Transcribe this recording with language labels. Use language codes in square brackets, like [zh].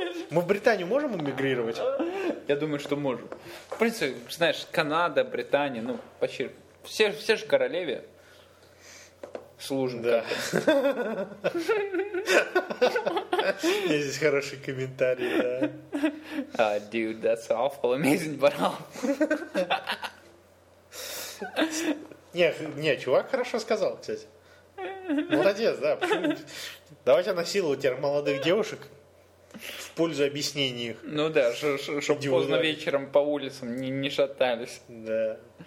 [ru] Мы в Британию можем эмигрировать? Я думаю, что можем. В принципе, знаешь, Канада, Британия, ну, почти все же королеве служим. Да. Я здесь хороший комментарий, да. [en] Oh, dude, that's awful, amazing, but awful. [ru] Не, чувак хорошо сказал, кстати. Молодец, да. Почему? Давайте насилуем теперь молодых девушек в пользу объяснений их. Ну да, чтобы поздно вечером по улицам не шатались. Да.